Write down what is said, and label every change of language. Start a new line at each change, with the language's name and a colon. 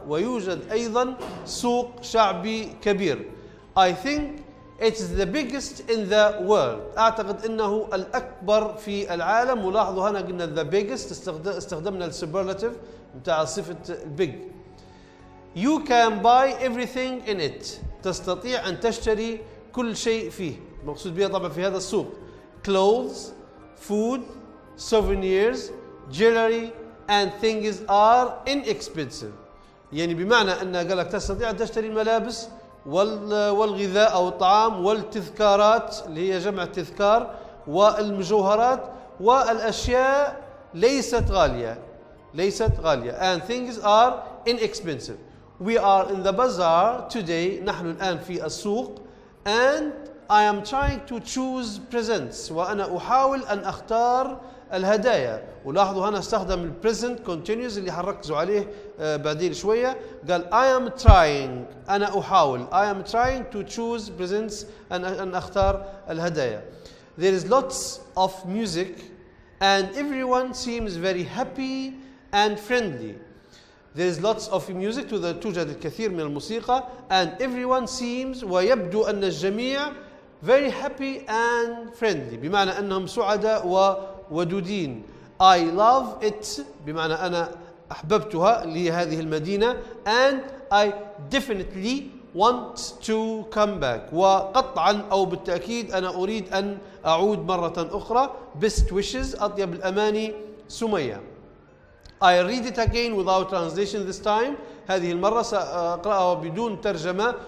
Arabic: ويوجد أيضا سوق شعبي كبير.
English: I think it is the biggest in the world.
Arabic: أعتقد أنه الأكبر في العالم. ولاحظوا هنا قلنا
English: the biggest.
Arabic: استخدمنا superlative متاع صفة big.
English: You can buy everything in it.
Arabic: تستطيع أن تشتري كل شيء فيه. مقصود بها طبعا في هذا السوق.
English: Clothes, food, souvenirs, jewelry and things are inexpensive.
Arabic: يعني بمعنى أنه قالك تستطيع أن تشتري ملابس والغذاء أو الطعام والتذكارات اللي هي جمع التذكار والمجوهرات والأشياء ليست غالية.
English: And things are inexpensive. We are in the bazaar today.
Arabic: نحن الآن في السوق.
English: And I am trying to choose presents.
Arabic: وأنا أحاول أن أختار الهدايا. ولاحظوا هنا استخدم present continuous اللي حركزوا عليه بعدين شوية. قال
English: I am trying.
Arabic: أنا أحاول.
English: I am trying to choose presents.
Arabic: أن أختار الهدايا.
English: There is lots of music and everyone seems very happy and friendly. There is lots of music.
Arabic: توجد الكثير من الموسيقى.
English: And everyone seems
Arabic: ويبدو أن الجميع
English: very happy and friendly.
Arabic: بمعنى أنهم سعداء وودودين.
English: I love it
Arabic: بمعنى أنا أحببتها لهذه المدينة.
English: And I definitely want to come back.
Arabic: وقطعا أو بالتأكيد أنا أريد أن أعود مرة أخرى.
English: Best wishes
Arabic: أطيب الأماني
English: سمية. I read it again without translation this time.
Arabic: هذه المرة سأقرأها بدون ترجمة.